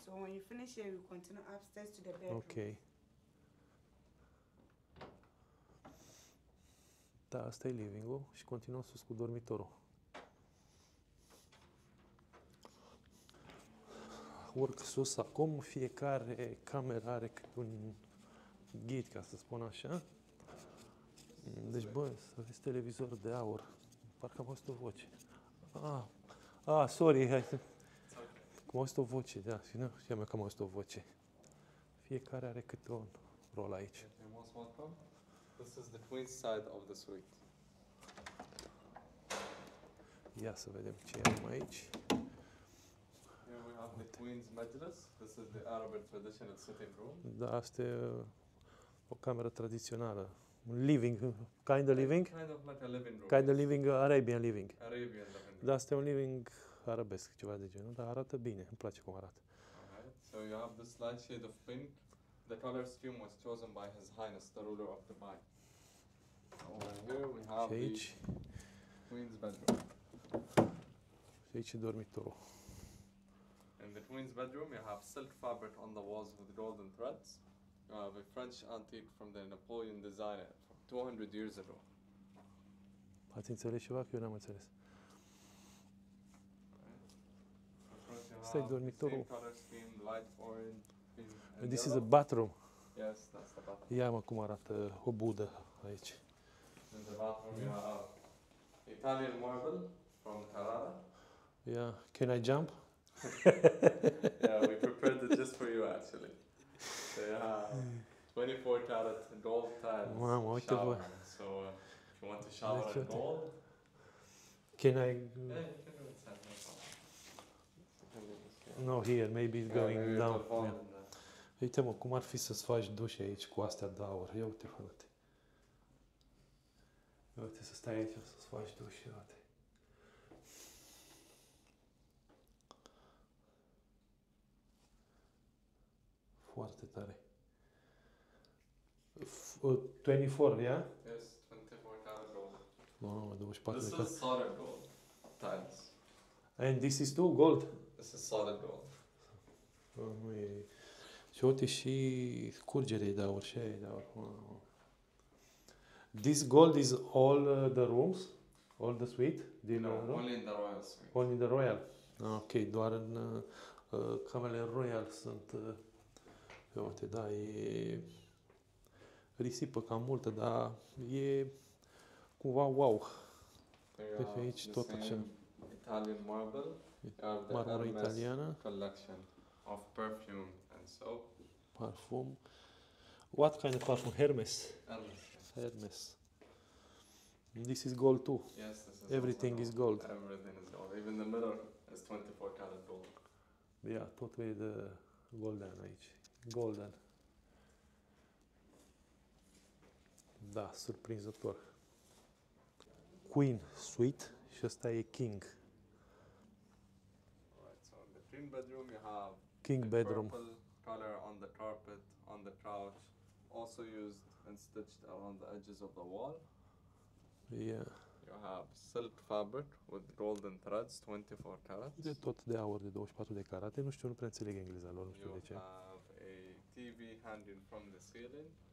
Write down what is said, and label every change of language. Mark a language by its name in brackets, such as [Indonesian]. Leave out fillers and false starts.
[English] So when you finish here, you continue upstairs to the bedroom. Ok. [Romanian] Da, asta e living-ul și continuăm sus cu dormitorul. Urc sus acum, fiecare cameră are un ghid, ca să spun așa. Deci, bă, să vezi televizor de aur. Parcă am auzit o voce. [English] Sorry. [Romanian] Am auzit o voce, da. Și nu știam eu că am auzit o voce. Fiecare are câte un rol aici. [English] This is the queen side of the suite. [Romanian] Ia să vedem ce am aici. [English] Queen's mattress. This is the Arab traditional sitting room. [Romanian] Da, asta e o cameră tradițională. [English] Living, kind of living? Kind of like a living room. Kind of living, Arabian living. Arabian living. [Romanian] Da, asta e un living arabesc, ceva de genul, dar arată bine, îmi place cum arată. [English] Alright. So you have this light shade of pink. The color scheme was chosen by His Highness, the ruler of Dubai. Over here we have the queen's bedroom. [Romanian] Și aici e dormitorul. [English] In the queen's bedroom you have silk fabric on the walls with golden threads. You have a French antique from the Napoleon designer from 200 years ago. [Romanian] Ați înțeles ceva că eu n-am înțeles. Stai dormitorul. [English] Same color scheme, light orange. And this is a bathroom. Yes, that's the bathroom. [Romanian] Ia-mă cum arată o budă aici. [English] In the bathroom you have Italian marble from Carrara. Yeah, can I jump? Yeah, we prepared it just for you actually. So you have 24 carat gold tiles. [Romanian] Mamă, uite voi. [English] So if you want to shower in gold. Can I? Yeah, you can do it. No, here, maybe it's going down. [Romanian] Uite-mă, cum ar fi să-ți faci dușe aici cu astea de aur? Ia uite, frate. Ia uite, să stai aici să-ți faci dușe, frate. Foarte tare. 24, ia? [English] Yes, 24 carat [Romanian] gold. Mamă, 24 de [English] carat. This is solid gold. Times. And this is too gold? This is solid gold. [Romanian] Nu e... Și uite și scurgerea de aur, și aia de aur. [English] This gold is all the rooms? All the suite? Din no, room? Only in the royal suite. Only in the royal? [Romanian] Ok, doar în camerele royal sunt... uite, da, e... risipă cam multă, dar e cumva wow. De pe aici tot așa. [English] Italian marble. [Romanian] Marmură italiană. [English] Collection of perfume and soap. Parfum. What kind of parfum? Hermes. Hermes. Hermes. This is gold too. Yes, this is everything gold. Is gold. Everything is gold. Even the mirror is 24 karat gold. Yeah, totally the golden aici. Golden. [Romanian] Da, surprinzător. Queen suite și ăsta e king. [English] Alright, so in the queen bedroom you have king bedroom. Color on the carpet, on the couch, also used and stitched around the edges of the wall. Yeah. You have silk fabric with golden threads, 24 carats. [Romanian] De tot de aur, de 24 de carate, nu știu, nu prea înțeleg engleza lor, nu știu [English] you [Romanian] de ce. [English] You have a TV hanging from the ceiling.